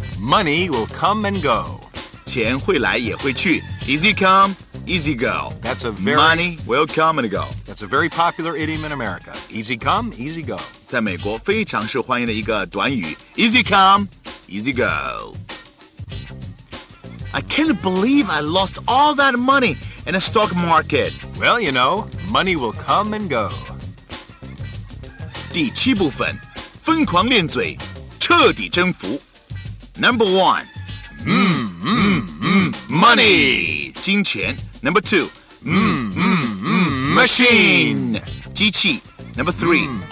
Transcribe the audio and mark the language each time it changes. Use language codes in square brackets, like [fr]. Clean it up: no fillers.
[en] Money will come and go. [zh] 钱会来也会去。 [en] Easy come, easy go. That's a very... Money will come and go. That's a very popular idiom in America. Easy come, easy go. [zh] 在美国非常受欢迎的一个短语。 [en] Easy come, easy go. I can't believe I lost all that money in the stock market. Well, you know, money will come and go. [zh] 第七部分，疯狂练嘴，彻底征服。 [en] Number one. Money. [zh] 金钱。 [en] Number two. Machine. [zh] 机器。 [en] Number three.